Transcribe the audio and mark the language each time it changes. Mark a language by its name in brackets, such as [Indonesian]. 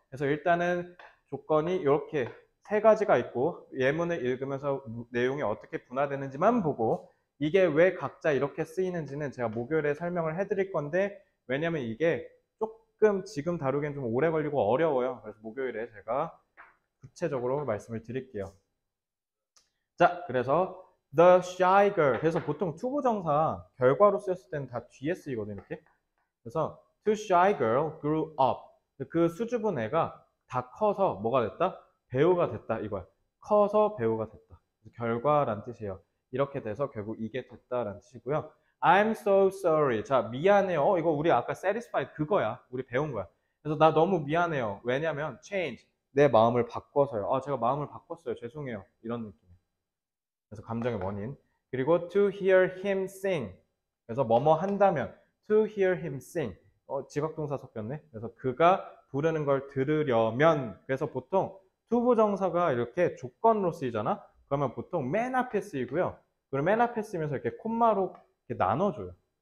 [Korean] 그래서 일단은 조건이 이렇게 세 가지가 있고, 예문을 읽으면서 내용이 어떻게 분화되는지만 보고, 이게 왜 각자 이렇게 쓰이는지는 제가 목요일에 설명을 해드릴 건데, 왜냐면 이게 조금 지금 다루기엔 좀 오래 걸리고 어려워요. 그래서 목요일에 제가 구체적으로 말씀을 드릴게요. 자, 그래서 [English] the shy girl. [Korean] 그래서 보통 to 부정사 결과로 쓰였을 때는 다 뒤에 쓰이거든요, 이렇게. 그래서 [English] to shy girl grew up. [Korean] 그 수줍은 애가 다 커서 뭐가 됐다? 배우가 됐다. 이거야. 커서 배우가 됐다. 결과란 뜻이에요. 이렇게 돼서 결국 이게 됐다라는 뜻이고요. [English] I'm so sorry. [Korean] 자, 미안해요. 이거 우리 아까 satisfied 그거야. 우리 배운 거야. 그래서 나 너무 미안해요. 왜냐면 change. 내 마음을 바꿔서요. 아, 제가 마음을 바꿨어요. 죄송해요. 이런 느낌. 그래서 감정의 원인. 그리고 [English] to hear him sing. [Korean] 그래서 뭐뭐 한다면 [English] to hear him sing. [Korean] 직업동사 섞였네. 그래서 그가 부르는 걸 들으려면. 그래서 보통 to 부정사가 이렇게 조건으로 쓰이잖아. 그러면 보통 맨 앞에 쓰이고요. 그리고 맨 앞에 쓰면서 이렇게 콤마로 이렇게 나눠줘요.